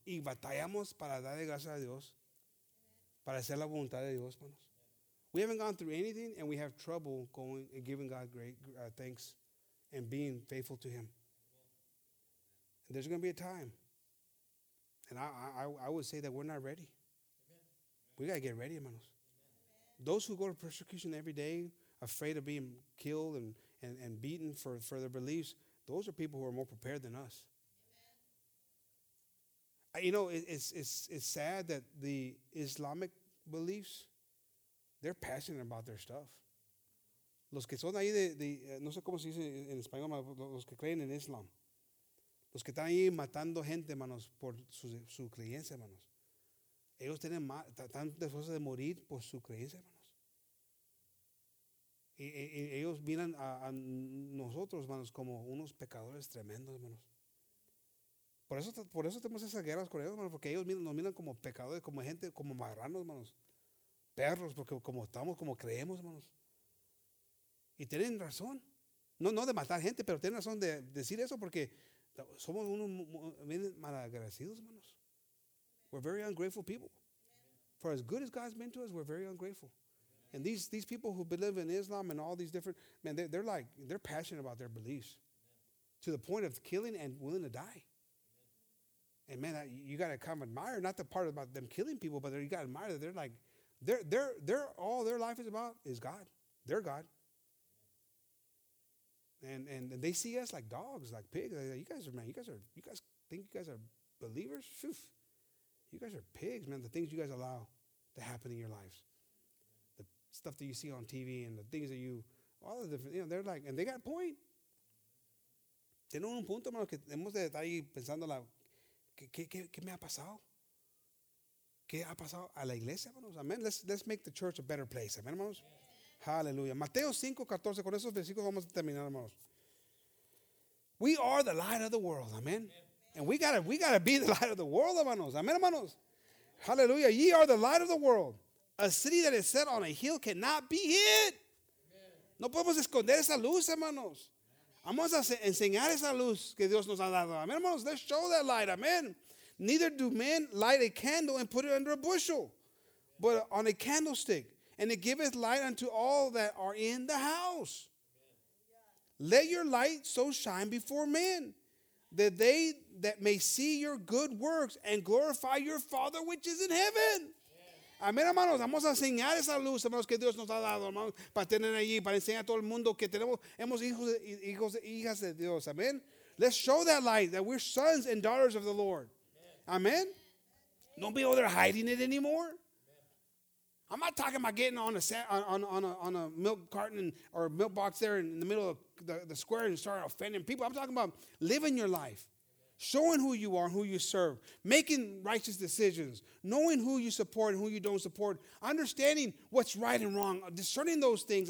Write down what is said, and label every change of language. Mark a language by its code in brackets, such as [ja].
[es] Y batallamos para darle gracias a Dios, para hacer la voluntad de Dios, hermanos. [en] We haven't gone through anything, and we have trouble going and giving God great thanks and being faithful to Him. And there's going to be a time. And I would say that we're not ready. Amen. We got to get ready, hermanos. Amen. Those who go to persecution every day, afraid of being killed and beaten for their beliefs, those are people who are more prepared than us. Amen. You know, it's sad that the Islamic beliefs, they're passionate about their stuff. [es] Los que son ahí de no sé cómo se dice en español, los que creen en Islam. Los que están ahí matando gente, hermanos, por su creencia, hermanos. Ellos tienen tantas cosas de morir por su creencia, hermanos. Y ellos miran a nosotros, hermanos, como unos pecadores tremendos, hermanos. Por eso tenemos esas guerras con ellos, hermanos, porque ellos nos miran como pecadores, como gente, como marranos, hermanos. Perros, porque como estamos, como creemos, hermanos. Y tienen razón. No de matar gente, pero tienen razón de decir eso, porque somos unos malagradecidos, hermanos. [en] We're very ungrateful people. For as good as God's been to us, we're very ungrateful. And these people who believe in Islam and all these different, man, they're passionate about their beliefs to the point of killing and willing to die. And man, you got to kind of admire, not the part about them killing people, but you got to admire that they're like, They're all their life is about is God. They're God. And they see us like dogs, like pigs. Like, you guys think you guys are believers? Phew. You guys are pigs, man. The things you guys allow to happen in your lives. The stuff that you see on TV and the things that you all the different, you know, they're like, and they got a point. [es] Tienen un punto, hermano, que hemos de estar ahí pensando la qué me ha pasado. ¿Qué ha pasado a la iglesia, hermanos? Amén. [en] Let's make the church a better place. [es] Amén, hermanos. Aleluya. Mateo 5:14. Con esos versículos vamos a terminar, hermanos. [en] We are the light of the world. [es] Amén. [en] And we gotta be the light of the world, [es] hermanos. Amén, hermanos. Aleluya. [en] Ye are the light of the world. A city that is set on a hill cannot be hid. [es] No podemos esconder esa luz, hermanos. Vamos a enseñar esa luz que Dios nos ha dado. Amén, hermanos. [en] Let's show that light. Amén. Neither do men light a candle and put it under a bushel, but on a candlestick, and it giveth light unto all that are in the house. Let your light so shine before men, that they that may see your good works and glorify your Father which is in heaven. [es] Amén, hermanos. Vamos a enseñar esa luz, hermanos, que Dios nos ha dado, hermanos, para tener allí, para enseñar a todo el mundo que tenemos, hemos hijos e hijas de Dios. Amén. [en] Let's show that light, that we're sons and daughters of the Lord. Amen. Don't be over there hiding it anymore. I'm not talking about getting on a milk carton or a milk box there in the middle of the square and start offending people. I'm talking about living your life, showing who you are and who you serve, making righteous decisions, knowing who you support and who you don't support, understanding what's right and wrong, discerning those things.